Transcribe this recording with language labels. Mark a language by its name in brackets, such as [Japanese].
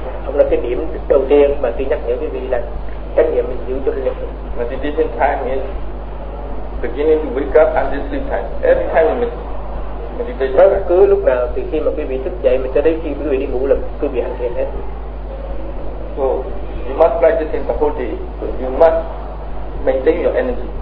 [Vietnamese] Ông là cái điểm đầu tiên mà tôi nhắc nhở quý vị là chánh niệm mình giữ cho liên tục. [English] Meditation time is beginning to wake up and sleep time. Every time you meditation. [Vietnamese] Bất cứ lúc nào từ khi mà quý vị thức dậy mà cho đến khi quý vị đi ngủ là quý vị hành thiền hết. [English] So you must practice in the whole day. You must maintain your energy.